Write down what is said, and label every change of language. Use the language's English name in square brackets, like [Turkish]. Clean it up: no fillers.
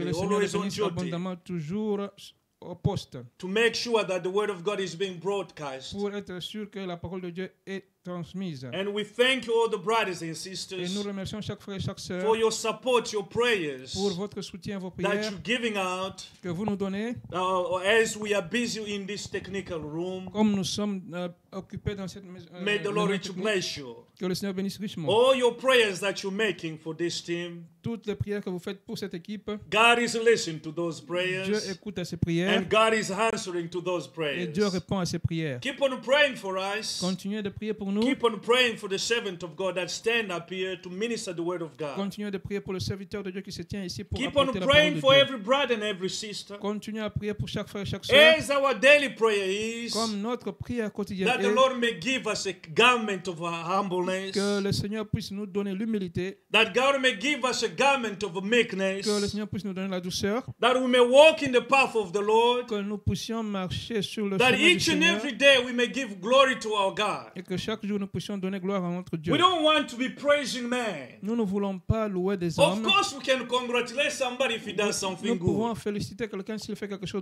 [French] Que le Seigneur le bénisse abondamment toujours au poste. [English] To make sure that the word of God is being broadcast. [French] Pour être sûr que la parole de Dieu est transmise. [English] And we thank you all the brothers and sisters. [French] Et nous remercions chaque frère et chaque sœur. [English] For your support, your prayers. [French] Pour votre soutien, vos prières. [English] That you're giving out. [French] Que vous nous donnez. [English] As we are busy in this technical room. [French] Comme nous sommes occupés dans cette maison. [English] May the Lord rich bless you. [French] Que le Seigneur bénisse richement. [English] All your prayers that you're making for this team. [French] Toutes les prières que vous faites pour cette équipe. [English] God is listening to those prayers. [French] Dieu écoute à ces prières. [English] And God is answering to those prayers. [French] Et Dieu répond à ces prières. [English] Keep on praying for us. [French] Continuez de prier pour nous. [English] Keep on praying for the servant of God that stand up here to minister the word of God. [French] Continuez de prier pour le serviteur de Dieu qui se tient ici pour apporter la parole de Dieu. [English] Keep on praying for every brother and every sister. [French] Continuez à prier pour chaque frère et chaque sœur. [English] As our daily prayer is. [French] Comme notre prière quotidienne est. [English] That the Lord may give us a garment of humbleness. [French] Que le Seigneur puisse nous donner l'humilité. [English] That God may give us a garment of meekness. [French] Que le Seigneur puisse nous donner la douceur. [English] That we may walk in the path of the Lord. [French] Que nous puissions marcher sur le chemin du Seigneur. [English] That each and every day we may give glory to our God. [French] Et que chaque jour nous puissions donner gloire à notre Dieu. [English] We don't want to be praising man. [French] Nous ne voulons pas louer des hommes. [English] Of course we can congratulate somebody if he does something good. [French] Nous pouvons féliciter quelqu'un s'il fait quelque chose